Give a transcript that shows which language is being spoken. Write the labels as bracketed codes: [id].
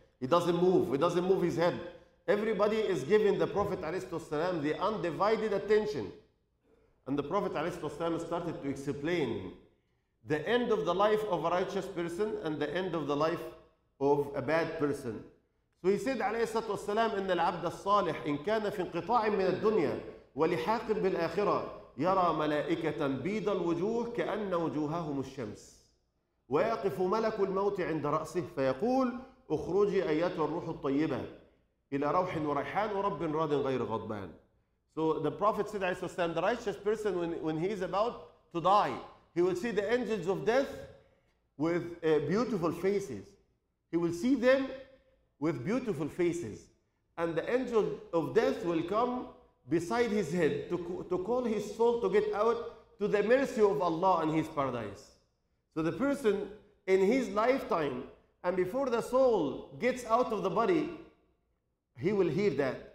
[en] He doesn't move his head. Everybody is giving the Prophet ﷺ the undivided attention. And the Prophet ﷺ started to explain the end of the life of a righteous person and the end of the life of a bad person. So he said [ar] عليه الصلاة والسلام إن العبد الصالح إن كان في انقطاع من الدنيا ولحاق بالآخرة يرى ملائكة بيض الوجوه كأن وجوههم الشمس ويقف ملك الموت عند رأسه فيقول أخرجي أيات الروح الطيبة إلى روح وريحان ورب راض غير غضبان [en] So the Prophet said عليه الصلاة والسلام The righteous person when he is about to die he will see the angels of death with beautiful faces he will see them with beautiful faces. And the angel of death will come beside his head to call his soul to get out to the mercy of Allah and his paradise. So the person in his lifetime and before the soul gets out of the body, he will hear that.